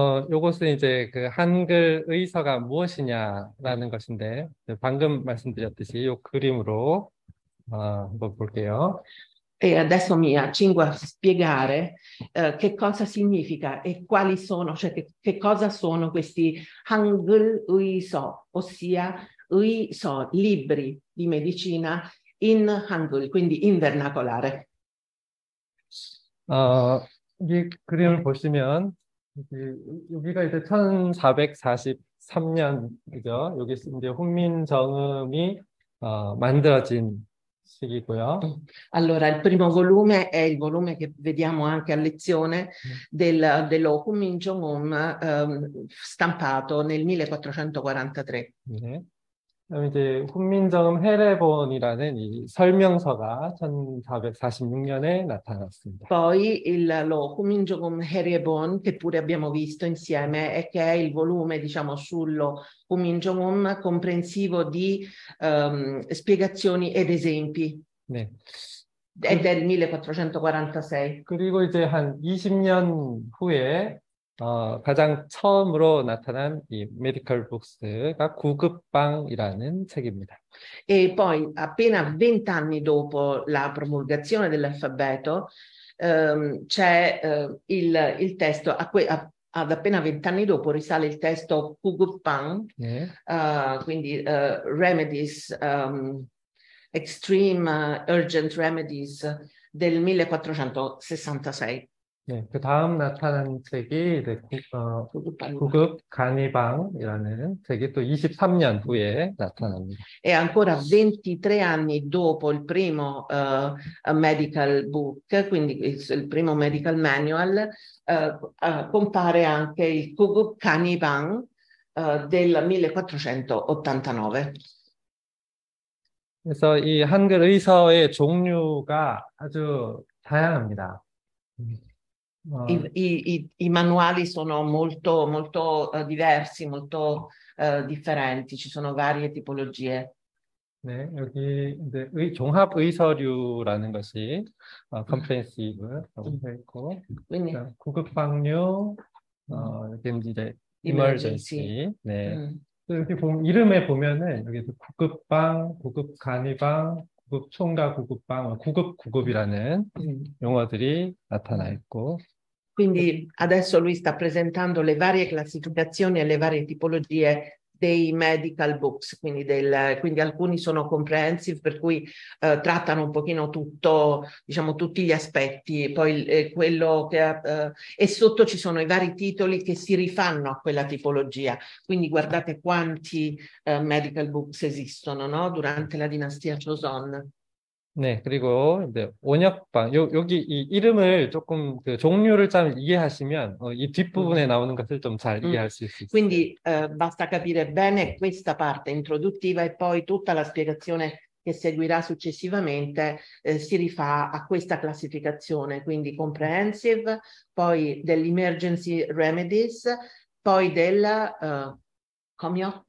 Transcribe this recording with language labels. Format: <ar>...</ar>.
<ko>요것은 이제 그 한글 의서가 무엇이냐라는 것인데, 방금 말씀드렸듯이 요 그림으로 한번 볼게요.</ko> <it>E adesso mi accingo a spiegare che cosa significa e quali sono, cioè che cosa sono questi Hangul Uiso, ossia Uiso, libri di medicina in Hangul, quindi in vernacolare.</it> <ko>이 그림을 보시면 여기가 이제 1443년이죠. 여기 이제 훈민정음이 만들어진 시기고요.</ko> <it>Allora, il primo volume è il volume che vediamo anche a lezione dello Huminjongeum stampato nel 1443. Ne.</it> <ko>이제 훈민정음 해례본이라는 이 설명서가 1446년에 나타났습니다.</ko> <it>Poi lo Huminjongeum Haerebon, che pure abbiamo visto insieme, e che è il volume, diciamo, sullo Huminjongeum comprensivo di spiegazioni ed esempi. 네. È del 1446.</it> <ko>그리고 이제 한 20년 후에 가장 처음으로 나타난 이 메디컬 북스가 구급방이라는 책입니다.</ko> <it>E poi, appena 20 anni dopo la promulgazione dell'alfabeto, c'è il testo, ad appena 20 anni dopo risale il testo Kugupan, 네. quindi Remedies. Extreme Urgent Remedies del 1466.</it> <ko>Yeah, 그 다음 나타난 책이 구급 간이방이라는 책이 또 23년 후에 나타납니다.</ko> <it>23 anni dopo il primo medical book, quindi il primo medical manual, compare anche il Kugup Kanipang del 1489.</it> <ko>그래서 이 한글 의서의 종류가 아주 다양합니다.</ko> <it>I manuali sono molto, molto diversi, molto differenti, ci sono varie tipologie.</it> <ko>네, 여기 이제 종합 의서류라는 것이 comprehensive라고 했고, 그러니까 구급방류, 이렇게 이제</ko> <en>emergency. emergency, 네.</en> <ko>이렇게 이름에 보면은 여기 구급방, 구급 간이방, 구급 총과 구급방, 구급 구급이라는 용어들이 나타나 있고.</ko> <it>Quindi adesso lui sta presentando le varie classificazioni e le varie tipologie dei medical books, quindi alcuni sono comprehensive, per cui trattano un pochino tutto, diciamo, tutti gli aspetti, poi quello che e sotto ci sono i vari titoli che si rifanno a quella tipologia. Quindi guardate quanti medical books esistono, no? Durante la dinastia Joseon.</it> <ko>네, 그리고 이제 온역방 요 여기 이 이름을 조금 그 종류를 잘 이해하시면 이 뒷부분에 나오는 것을 좀잘 이해할 수 있을 것 같아요.</ko> <it>Quindi basta capire bene questa parte introduttiva e poi tutta la spiegazione che seguirà successivamente si rifà a questa classificazione, quindi comprehensive, poi dell'emergency remedies, poi della comio,</it>